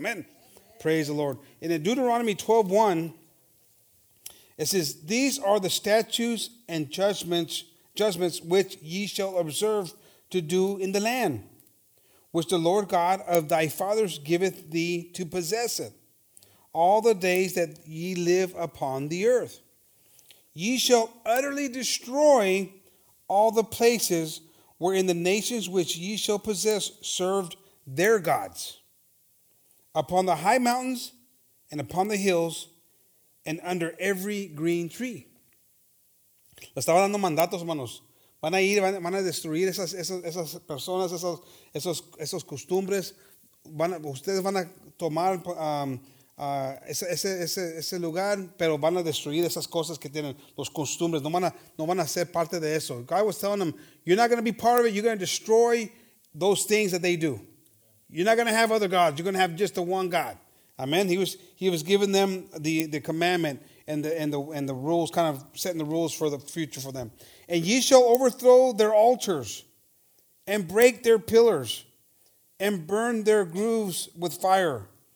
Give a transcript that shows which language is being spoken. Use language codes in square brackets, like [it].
[en] Amén. Praise the Lord. In Deuteronomy 12:1, it says, "These are the statutes and judgments which ye shall observe to do in the land, which the Lord God of thy fathers giveth thee to possess it, all the days that ye live upon the earth. Ye shall utterly destroy all the places wherein the nations which ye shall possess served their gods, upon the high mountains and upon the hills and under every green tree." [es] Le estaba dando mandatos, hermanos. Van a ir, van a destruir esas personas, esos costumbres. Ustedes van a tomar ese lugar, pero van a destruir esas cosas que tienen, los costumbres. No van a ser parte de eso. [en] God was telling them, you're not going to be part of it. You're going to destroy those things that they do. You're not going to have other gods. You're going to have just the one God. Amen. He was giving them the commandment and the rules, kind of setting the rules for the future for them. "And ye shall overthrow their altars and break their pillars and burn their groves with fire.